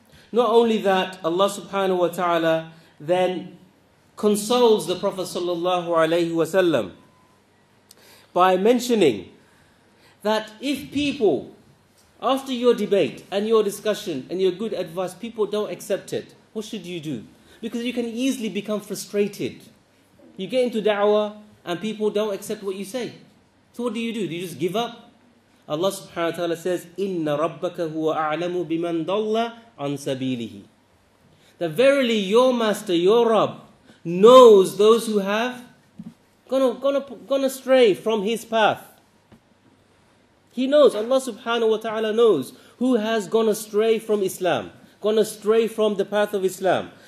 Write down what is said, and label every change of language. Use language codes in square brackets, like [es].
[en] Not only that, Allah subhanahu wa ta'ala then consoles the Prophet sallallahu alayhi wa sallam by mentioning that if people, after your debate and your discussion and your good advice, people don't accept it, what should you do? Because you can easily become frustrated. You get into da'wah and people don't accept what you say. So what do? You just give up? Allah subhanahu wa ta'ala says, [ar] إِنَّ رَبَّكَ هُوَ أَعْلَمُ بِمَنْ ضَلَّ عَنْ سَبِيلِهِ. [en] That verily your master, your Rabb, knows those who have gone astray from his path. He knows, Allah subhanahu wa ta'ala knows who has gone astray from Islam, gone astray from the path of Islam.